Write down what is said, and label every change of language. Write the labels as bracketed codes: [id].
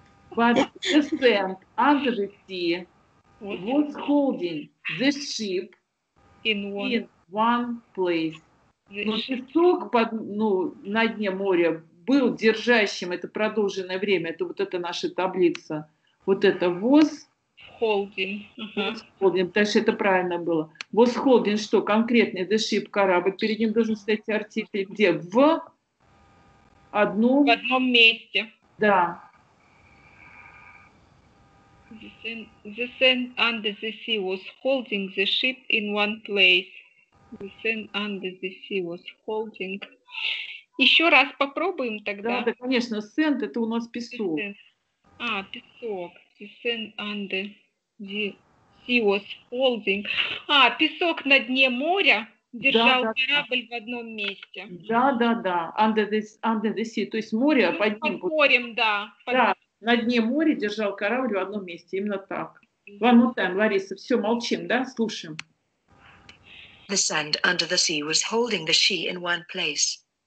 [en] But the sand under the sea was holding the ship in one place. [ru] Но песок под, ну, на дне моря был держащим это продолженное время. Это вот эта наша таблица. Вот это was [en] holding. Was holding. [ru] Так что это правильно было. [en] Was holding [ru] что? Конкретный [en] the ship, [ru] корабль. Перед ним должен стоять артикль. Где? В одном... В одном месте. Да. [en] The sand under the sea was holding the ship in one place. The sand under the sea was holding... [ru] Еще раз попробуем тогда. Да, да, конечно, sand это у нас песок. А, песок. [en] The sand under the sea was holding. [ru] А, песок на дне моря держал да, да, корабль да. В одном месте. Да, да, да. [en] Under the sea. [ru] То есть море под ним. Под морем, да. Да, на дне моря держал корабль в одном месте. Именно так. [en] One more time, [ru] Лариса. Все, молчим, да? Слушаем. [en] The sand under the sea was holding the she in one place.